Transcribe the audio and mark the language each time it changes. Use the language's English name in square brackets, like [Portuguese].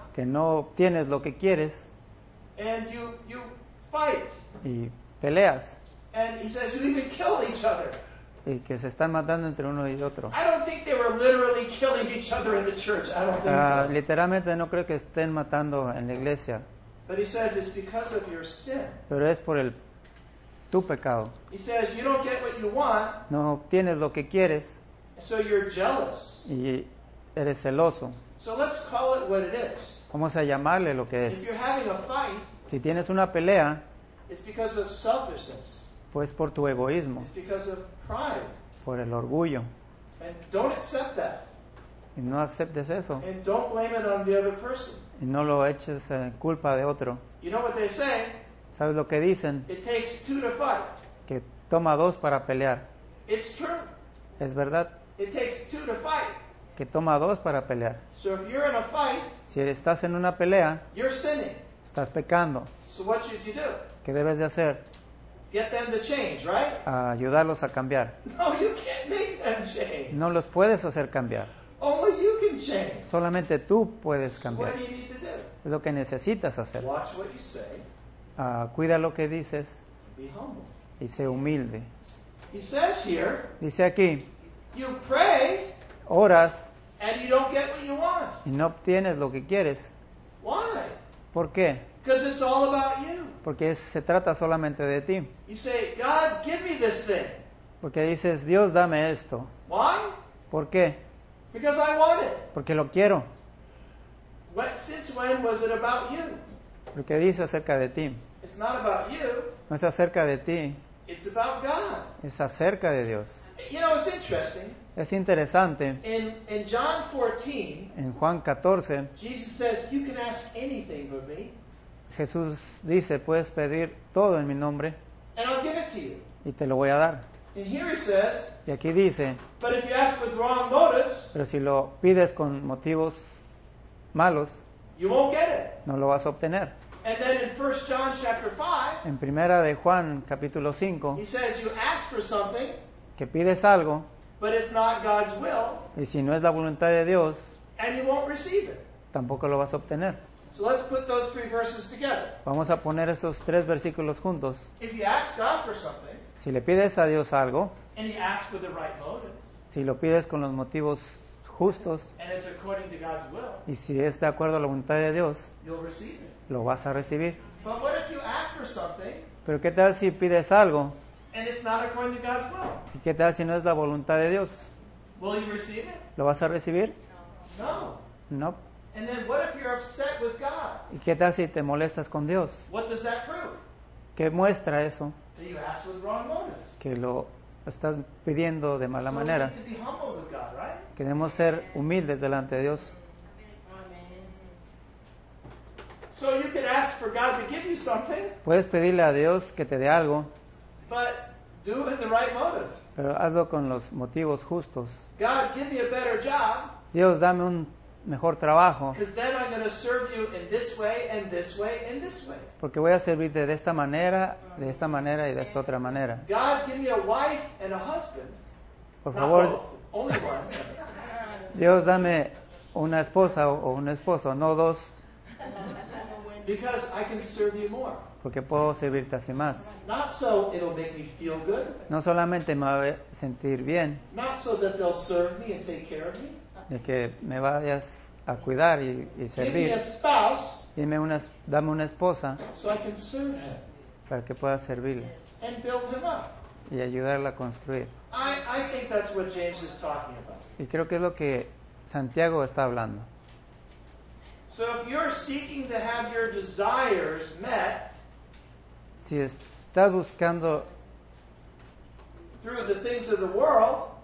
[Spanish] Que no obtienes lo que quieres. [English] And you fight. [Spanish] Y peleas. [English] And he says you even kill each other. [Spanish] Y que se están matando entre uno y otro. [English] I don't think they were literally killing each other in the church. I don't think so. [Spanish] Literalmente no creo que estén matando en la iglesia. [English] But he says it's because of your sin. [Spanish] Pero es por tu pecado. [English] He says you don't get what you want. [Spanish] No obtienes lo que quieres. [English] So you're jealous. [Spanish] Y eres celoso. [English] So let's call it what it is. [Spanish] Vamos a llamarle lo que es. [English] If you're having a fight. [Spanish] Si tienes una pelea. [English] It's because of selfishness. [Spanish] Pues por tu egoísmo. [English] It's because of pride. [Spanish] Por el orgullo. [English] And don't accept that. [Spanish] y no aceptes eso. [English] And don't blame it on the other person. [Spanish] Y no lo eches en culpa de otro. [English] You know what they say? [Spanish] ¿Sabes lo que dicen? [English] It takes two to fight. [Spanish] Que toma dos para pelear. [English] It's true. [Spanish] Es verdad. [English] It takes two to fight. [Spanish] Que toma dos para pelear. [English] So if you're in a fight, [Spanish] si estás en una pelea, [English] you're sinning. [Spanish] Estás pecando. [English] So what should you do? [Spanish] ¿Qué debes de hacer? [English] Get them to change, right? [Spanish] A ayudarlos a cambiar. [English] No, you can't make them change. [Spanish] No los puedes hacer cambiar. [English] Only you can change. [Spanish] Solamente tú puedes cambiar. [English] So what do you need to do? [Spanish] Es lo que necesitas hacer. [English] Watch what you say. [Spanish] Cuida lo que dices. [English] Be humble. [Spanish] Y sé humilde. [English] He says here, [Spanish] dice aquí, [English] you pray, [Spanish] oras, [English] and you don't get what you want. [Spanish] Y no obtienes lo que quieres. [English] Why? [Spanish] ¿Por qué? [English] Because it's all about you. [Spanish] Porque se trata solamente de ti. [English] You say, God, give me this thing. [Spanish] Porque dices, Dios, dame esto. [English] Why? [Spanish] ¿Por qué? [English] Because I want it. [Spanish] Porque lo quiero. [English] What, since when was it about you? [Spanish] Lo que dice acerca de ti. [English] It's not about you. [Spanish] No es acerca de ti. [English] It's about God. [Spanish] Es acerca de Dios. [English] You know, it's interesting. [Spanish] Es interesante. [English] In John 14, [Spanish] en Juan 14, [English] Jesus says, you can ask anything of me. [Spanish] Jesús dice, puedes pedir todo en mi nombre. [English] And I'll give it to you. [Spanish] Y te lo voy a dar. [English] And here he says, [Spanish] y aquí dice, [English] but if you ask with wrong motives, [Spanish] pero si lo pides con motivos malos, [English] you won't get it. [Spanish] No lo vas a obtener. [English] And then in 1 John chapter 5, [Spanish] en primera de Juan capítulo 5, [English] he says you ask for something, [Spanish] que pides algo, [English] but it's not God's will, [Spanish] y si no es la voluntad de Dios, [English] and you won't receive it. [Spanish] Tampoco lo vas a obtener. [English] So let's put those three verses together. [Spanish] Vamos a poner esos tres versículos juntos. [English] If you ask God for something, [Spanish] si le pides a Dios algo, [English] and you ask with the right motives, [Spanish] si lo pides con los motivos justos, [English] and it's according to God's will, [Spanish] y si es de acuerdo a la voluntad de Dios, [English] you'll receive it. [Spanish] Lo vas a recibir. [English] But what if you ask for something, [Spanish] pero qué tal si pides algo, [English] and it's not according to God's will? [Spanish] Y qué tal si no es la voluntad de Dios? [English] Will you receive it? [Spanish] Lo vas a recibir. [English] No. [Spanish] No. [English] And then what if you're upset with God? [Spanish] Y qué tal si te molestas con Dios? [English] What does that prove? [Spanish] ¿Qué muestra eso? [English] That you ask with wrong motives. [Spanish] Que lo estás pidiendo de mala [English] so [Spanish] manera. [English] We need to be humble with God, right? [Spanish] Queremos ser humildes delante de Dios. [English] So you can ask for God to give you something. [Spanish] Puedes pedirle a Dios que te dé algo. [English] But do it in the right motive. [Spanish] Pero hazlo con los motivos justos. [English] God, give me a better job. [Spanish] Dios, dame un mejor trabajo. [English] Because then I'm going to serve you in this way and this way and this way. [Spanish] Porque voy a servirte de esta manera, de esta manera y de esta otra manera. [English] God, give me a wife and a husband. [Spanish] Por favor. [English] Not both, only one. [Spanish] Dios, dame una esposa o un esposo, no dos. [English] Because I can serve you more. [Spanish] Porque puedo servirte así más. [English] Not so it'll make me feel good. [Spanish] No solamente me va a sentir bien. [English] Not so that they'll serve me and take care of me. [Spanish] De que me vayas a cuidar y servir. [English] Give me a spouse. [Spanish] Dame una esposa. [English] So I can serve him. [Spanish] Para que pueda servirle. [English] And build him up. [Spanish] Y ayudarla a construir. [English] I think that's what James is talking about. [Spanish] Y creo que es lo que Santiago está hablando. [English] So if you're seeking to have your desires met, [Spanish] si estás buscando [English] through the things of the world,